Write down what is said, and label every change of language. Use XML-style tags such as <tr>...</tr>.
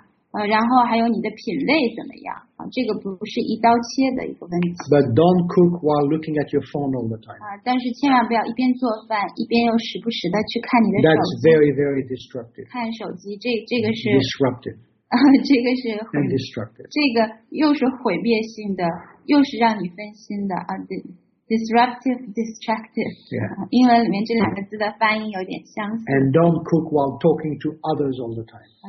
<zh>这个又是因人而异的一件事情，你要看你自己的能力怎么样，然后还有你的品味怎么样。</zh> <en>But don't cook while looking at your phone all the time.</en> <zh>但是千万不要一边做饭一边又时不时的去看你的手机。</zh> <en>That's very, very destructive.</en> <zh>看手机，这个是</zh> <en>disruptive.</en> <zh>这个是</zh> <en>and destructive.</en> <zh>这个又是毁灭性的，又是让你分心的。</zh> <en>Disruptive, destructive. Yeah.</en> <zh>英文里面这两个字的发音有点相似。</zh> <en>And don't cook while talking to others all the time.</en>